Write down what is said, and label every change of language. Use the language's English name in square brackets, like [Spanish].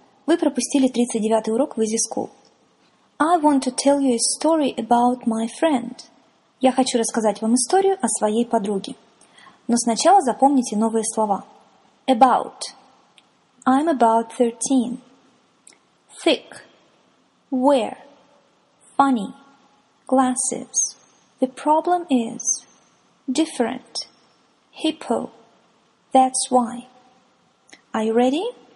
[Russian] Вы пропустили 39-й урок в Easy School. [English] I want to tell you a story about my friend. [Russian] Я хочу рассказать вам историю о своей подруге. Но сначала запомните новые слова. [English] About. I'm about 13. Thick. Wear. Funny. Glasses. The problem is. Different. Hippo. That's why. Are you ready?